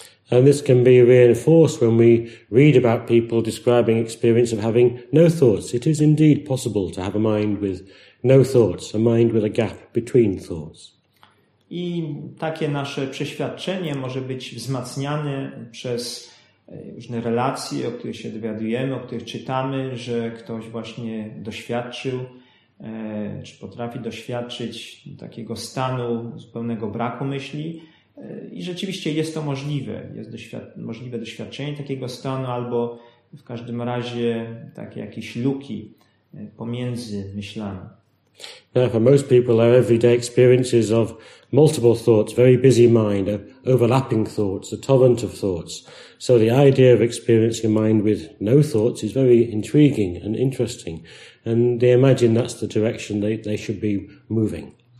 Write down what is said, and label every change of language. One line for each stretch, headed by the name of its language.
English: And this can be reinforced when we read about people describing experience of having no thoughts. It is indeed possible to have a mind with no thoughts, a mind with a gap between thoughts.
Polish: I takie nasze przeświadczenie może być wzmacniane przez różne relacje, o których się dowiadujemy, o których czytamy, że ktoś właśnie doświadczył, czy potrafi doświadczyć takiego stanu zupełnego braku myśli. I rzeczywiście jest to możliwe. Jest możliwe doświadczenie takiego stanu albo w każdym razie takie jakieś luki pomiędzy myślami.
English: Now for most people, their everyday experiences of multiple thoughts, very busy mind, overlapping thoughts, a torrent of thoughts. So the idea of experiencing a mind with no thoughts is very intriguing and interesting. And they imagine that's the direction they should be moving.